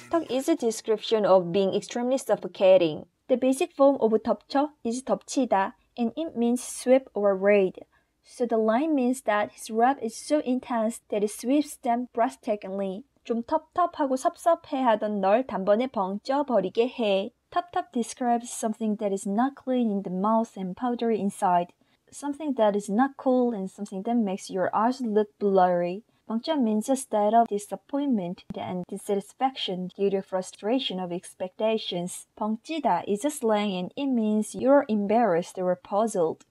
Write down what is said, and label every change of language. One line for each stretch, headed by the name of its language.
English: Is a description of being extremely suffocating. The basic form of 덮쳐 is 덮치다, and it means sweep or raid. So the line means that his rap is so intense that it sweeps them breathtakingly.
Korean: 좀 텁텁하고 섭섭해하던 널 단번에 벙쪄버리게 해.
English: Tup-tup describes something that is not clean in the mouth and powdery inside. Something that is not cool and something that makes your eyes look blurry. 멍쩍 means a state of disappointment and dissatisfaction due to frustration of expectations. 멍찌다 is a slang and it means you're embarrassed or puzzled.